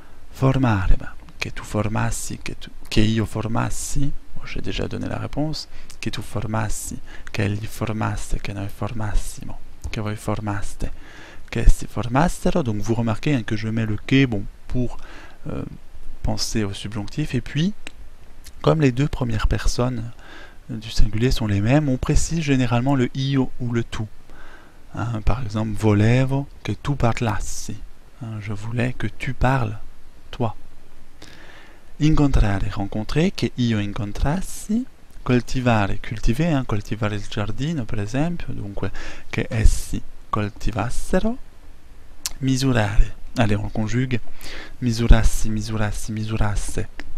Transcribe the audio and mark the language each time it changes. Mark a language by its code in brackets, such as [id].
[it] Formare, che tu formassi, che io formassi, [fr] j'ai déjà donné la réponse, [it] che tu formassi, che gli formasse, che noi formassimo, che voi formaste, che si formassero. [fr] Donc vous remarquez hein, que je mets le che bon, pour penser au subjonctif, et puis, comme les deux premières personnes du singulier sont les mêmes, on précise généralement le io ou le tu. Hein, par exemple, [it] volevo che tu parlassi. [fr] Hein, je voulais que tu parles, toi. [it] Incontrare, rencontrer, che io incontrassi. Coltivare, cultiver, hein, coltivare il giardino, per esempio, dunque, che essi coltivassero. Misurare, [fr] allez, on conjugue. [it] Misurassi, misurassi, misurasse.